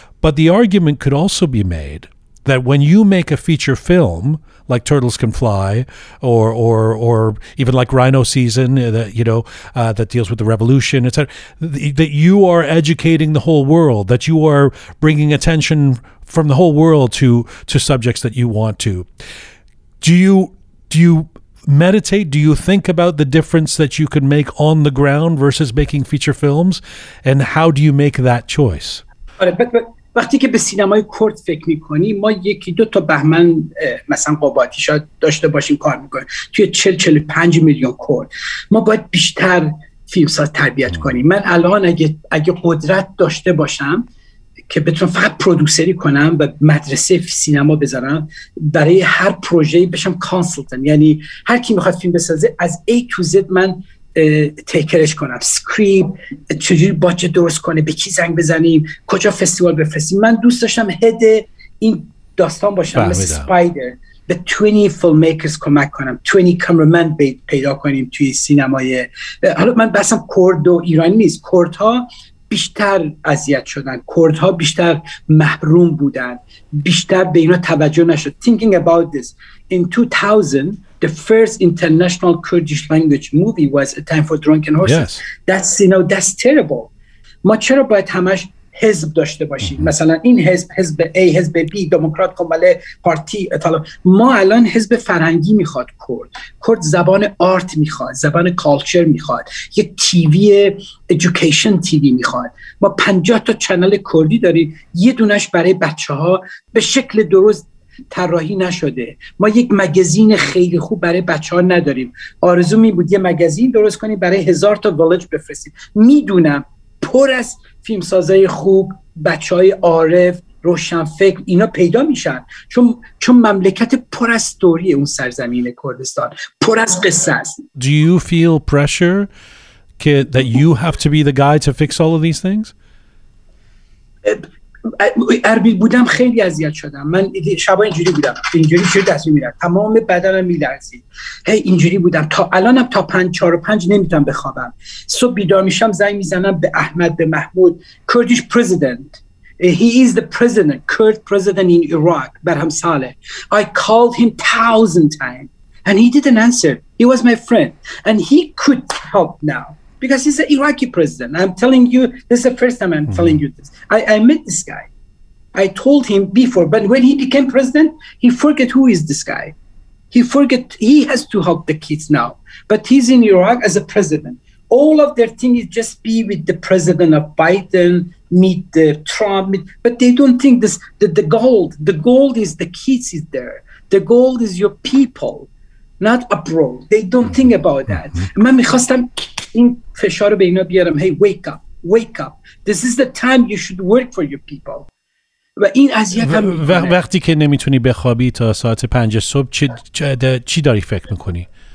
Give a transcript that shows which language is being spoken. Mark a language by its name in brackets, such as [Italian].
[English] But the argument could also be made that when you make a feature film like Turtles Can Fly or even like Rhino Season, that you know, that deals with the revolution, etc., that you are educating the whole world, that you are bringing attention from the whole world to subjects that you want to. Do you meditate? Do you think about the difference that you can make on the ground versus making feature films? And how do you make that choice? [Persian] وقتی که به سینمای کرد فکر میکنی، ما یکی دو تا بهمن مثلا قباطی شاید داشته باشیم کار میکنیم توی 40-45 میلیون کرد، ما باید بیشتر فیلمساز تربیت کنیم. من الان اگه قدرت داشته باشم که بتونم فقط پرودوسری کنم و مدرسه سینما بذارم، برای هر پروژه‌ای بشم کانسلتن، یعنی هر کی میخواد فیلم بسازه از A to Z من تیکرش کنم، سکریپ چجوری باجه درست کنه، به کی زنگ بزنیم، کجا فستیوال بفرستیم. من دوست داشتم هد این داستان باشم، مثل سپایدر به 20 فیلم میکرز کمک کنم، 20 کامرمن پیدا کنیم توی سینمای. حالا من بسم کرد و ایرانی نیست، کردها بیشتر اذیت شدن، کردها بیشتر محروم بودن، بیشتر به اینا توجه نشد. [English] Thinking about this, in 2000 the first international Kurdish language movie was A Time for Drunken Horses. Yes. That's, you know, that's terrible. [Persian] ما چرا باید همش حزب داشته باشیم؟ mm-hmm. مثلا این حزب، حزب A، حزب B، دموکرات، کومله، پارتی، اطلاع. ما الان حزب فرهنگی میخواد کرد. کرد زبان آرت میخواد، زبان کالچر میخواد، یه تیوی ایژوکیشن تیوی میخواد. ما 50 تا چنل کردی داریم، یه دونش برای بچه ها به شکل درست طراحی نشده. ما یک مگزین خیلی خوب برای بچه‌ها نداریم. آرزو می بود یه مگزین درست کنیم برای 1000 تا ویلج بفرستیم. میدونم پر از فیلمسازای خوب، بچه‌های عارف، روشنفکر اینا پیدا میشن، چون مملکت پر از استوری اون سرزمین کردستان، پر از قصه است. [English] Do you feel pressure that you have to be the guy to fix all of these things? [Persian] اربیل بودم خیلی اذیت شدم. من شبا اینجوری بودم، اینجوری چه دست میمیرد، تمام بدنم میلرزید. هی اینجوری بودم، تا الانم تا 4:05 نمیتونم بخوابم. صبح بیدار میشم، زنگ میزنم به احمد، به محمود، کردیش پرزیدنت، [English] he is the president, Kurd president in Iraq, [Persian] Berham Saleh. [English] I called him 1000 times and he didn't answer. He was my friend and he could help now because he's an Iraqi president. I'm telling you, this is the first time I'm mm-hmm. telling you this. I met this guy. I told him before, but when he became president, he forget who is this guy. He forget he has to help the kids now. But he's in Iraq as a president. All of their thing is just be with the president of Biden, meet the Trump. But they don't think this. The gold is the kids is there. The gold is your people, not abroad. They don't think about that. Mm-hmm. [Persian] من میخواستم این فشار رو به اینا بیارم. [English] Hey, wake up, wake up. This is the time you should work for your people. [Persian] و این اذیتم. وقتی که نمیتونی بخوابی تا ساعت 5 صبح، چی داری فکر میکنی؟